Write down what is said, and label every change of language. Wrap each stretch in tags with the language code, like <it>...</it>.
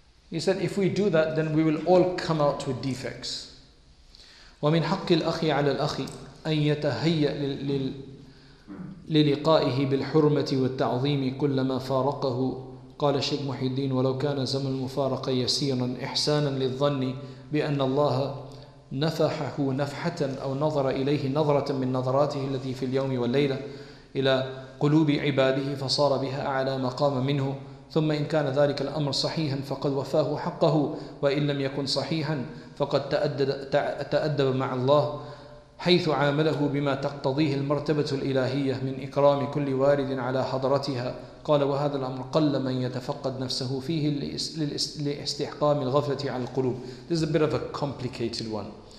<en>He said, if we do that, then we will all come out with defects.</en> <ar>وَمِنْ حَقِّ الْأَخِي عَلَى الْأَخِي أَنْ يَتَهَيَّ للقائه بالحرمة والتعظيم كلما فارقه. قال شيخ محي الدين, ولو كان زمن المفارقة يسيرا إحسانا للظن بأن الله نفحه نفحة أو نظر إليه نظرة من نظراته التي في اليوم والليلة إلى قلوب عباده فصار بها أعلى مقام منه, ثم إن كان ذلك الأمر صحيحا فقد وفاه حقه, وإن لم يكن صحيحا فقد تأدب مع الله حيث عامله بما تقتضيه المرتبة الإلهية من إكرام كل وارد على حضرتها. قال, وهذا الأمر قل من يتفقد نفسه فيه لاستحقام الغفلة على القلوب.</ar> <en>This is a bit of a complicated one.</en>